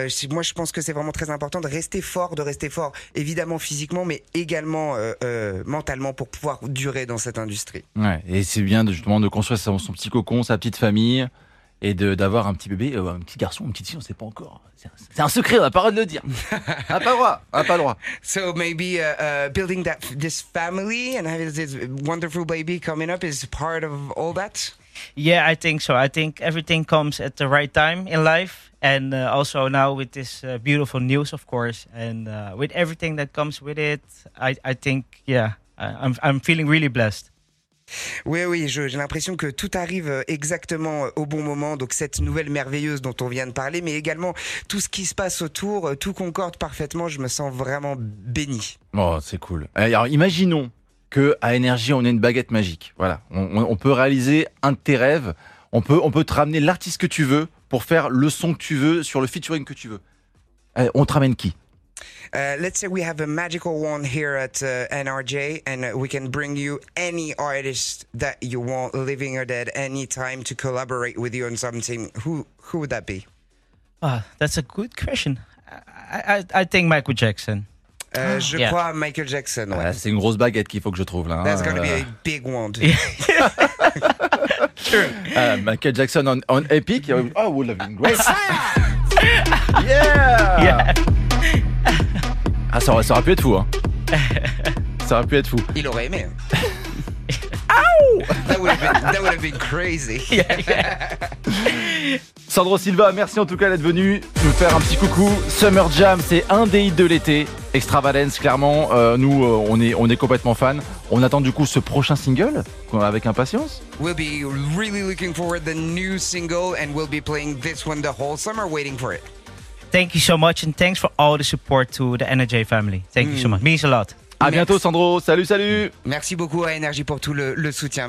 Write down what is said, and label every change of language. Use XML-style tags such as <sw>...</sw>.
<fr>Moi, je pense que c'est vraiment très important de rester fort, évidemment physiquement, mais également mentalement pour pouvoir durer dans cette industrie. Ouais, et c'est bien justement de construire son petit cocon, sa petite famille. Et d'avoir un petit bébé, un petit garçon, une petite fille, on ne sait pas encore. C'est un secret, on n'a pas le droit de le dire. On n'a pas le droit.</fr> <en>So maybe building this family and having this wonderful baby coming up is part of all that? Yeah, I think so. I think everything comes at the right time in life. And also now with this beautiful news, of course. And with everything that comes with it, I think, yeah, I'm feeling really blessed.</en> <fr>Oui, j'ai l'impression que tout arrive exactement au bon moment, donc cette nouvelle merveilleuse dont on vient de parler, mais également tout ce qui se passe autour, tout concorde parfaitement, je me sens vraiment béni. Oh, c'est cool. Alors imaginons qu'à NRJ, on ait une baguette magique, voilà. On peut réaliser un de tes rêves, on peut te ramener l'artiste que tu veux pour faire le son que tu veux sur le featuring que tu veux. On te ramène qui ?</fr> <en>Let's say we have a magical wand here at NRJ and we can bring you any artist that you want, living or dead, anytime to collaborate with you on something. Who would that be? That's a good question. I think Michael Jackson.</en> <fr>Je crois Michael Jackson. Ouais. Ouais, c'est une grosse baguette qu'il faut que je trouve là.</fr> <en>That's going to be a big wand. True. Michael Jackson on Epic. Oh, would have been great. Yeah.</en> <fr>Ah, ça aurait pu être fou, hein. Ça aurait pu être fou. Il aurait aimé. Ow!</fr> <en>That would have been crazy. Yeah, yeah.</en> <fr>Sandro Silva, merci en tout cas d'être venu nous faire un petit coucou. Summer Jam, c'est un des hits de l'été. Extravalence, clairement. Nous, on est complètement fans. On attend du coup ce prochain single avec impatience.</fr> <en>We'll be really looking forward to the new single and we'll be playing this one the whole summer waiting for it. Thank you so much and thanks for all the support to the NRJ family. Thank you so much. Means a lot.</en> <fr>À bientôt, Sandro. Salut, salut. Merci beaucoup à NRJ pour tout le soutien.</fr>